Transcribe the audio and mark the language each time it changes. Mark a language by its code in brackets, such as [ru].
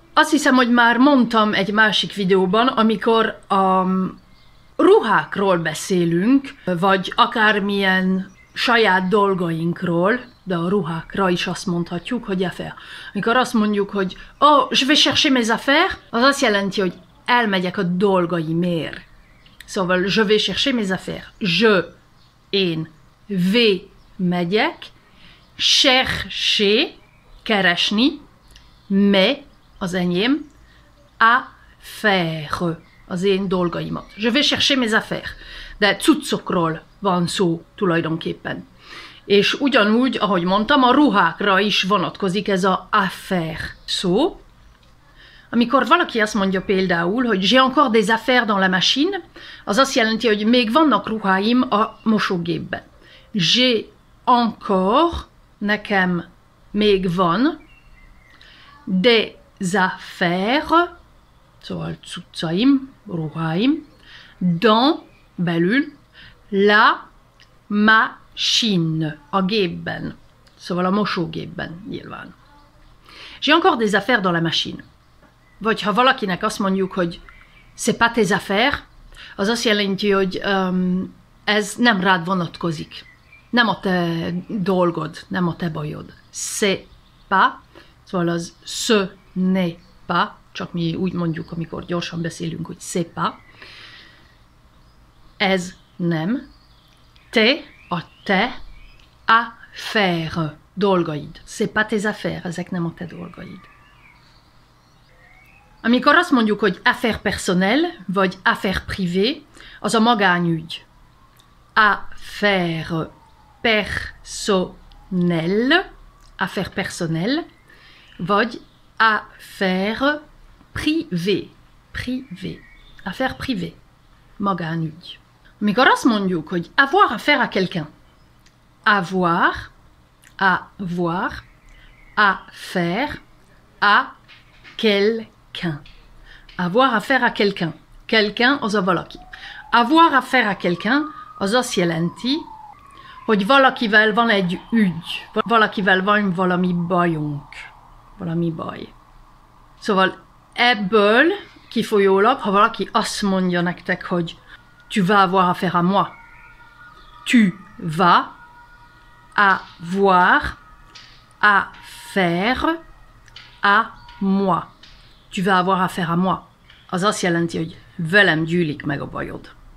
[hu] Azt hiszem, hogy már mondtam egy másik videóban, amikor a ruhákról beszélünk, vagy akármilyen saját dolgainkról, de a ruhákra is azt mondhatjuk, hogy affaire. Amikor azt mondjuk, hogy oh, [fr] je vais chercher mes affaires, [hu] az azt jelenti, hogy elmegyek a dolgaimért. Szóval, [fr] je vais chercher mes affaires. Je, [hu] én, [fr] vais, [hu] megyek, [fr] chercher, [hu] keresni, [fr] mes, [hu] az enyém, à faire, az én dolgaimat. [fr] Je vais chercher mes affaires. [hu] De cuccokról van szó tulajdonképpen. És ugyanúgy, ahogy mondtam, a ruhákra is vonatkozik ez a affaire szó. Amikor valaki azt mondja például, hogy [fr] j'ai encore des affaires dans la machine, [hu] az azt jelenti, hogy még vannak ruháim a mosógépben. [fr] J'ai encore, [hu] nekem még van, [fr] des affaires, [hu] szóval cuccaim, ruháim, [fr] dans, [hu] belül, [fr] la machine, [hu] a gépben, szóval a mosógépben nyilván. [fr] J'ai encore des affaires dans la machine. [hu] Vagy ha valakinek azt mondjuk, hogy [fr] c'est pas tes affaires, [hu] az azt jelenti, hogy ez nem rád vonatkozik. Nem a te dolgod, nem a te bajod. [fr] C'est pas, [hu] szóval az [fr] ce n'est pas, [hu] csak mi úgy mondjuk, amikor gyorsan beszélünk, hogy [fr] c'est pas. [hu] Ez nem. Te, a te, affaires, dolgaid. [fr] C'est pas tes affaires, [hu] ezek nem a te dolgaid. Amikor azt mondjuk, hogy [fr] affaire personnelle, [hu] vagy [fr] affaire privée, [hu] az a magányügy. [fr] Affaire personnelle, affaire personnelle, [hu] vagy [fr] affaire privée, privée, affaire privée, [hu] magányügy. Amikor azt mondjuk, hogy [fr] avoir affaire à quelqu'un, avoir, avoir, affaire à quelqu'un. Avoir affaire à quelqu'un. [hu] Quelqu'un, az a valaki. [fr] Avoir affaire à quelqu'un, [hu] az azt jelenti, hogy valakivel van egy ügy. Valakivel van valami bajunk. Valami baj. Szóval ebből kifolyólag, ha valaki azt mondja nektek, hogy [fr] tu vas avoir affaire à moi. Tu vas avoir affaire à moi. Tu vas avoir affaire à moi. [hu] Az azt jelenti, hogy velem gyűlik meg a bajod.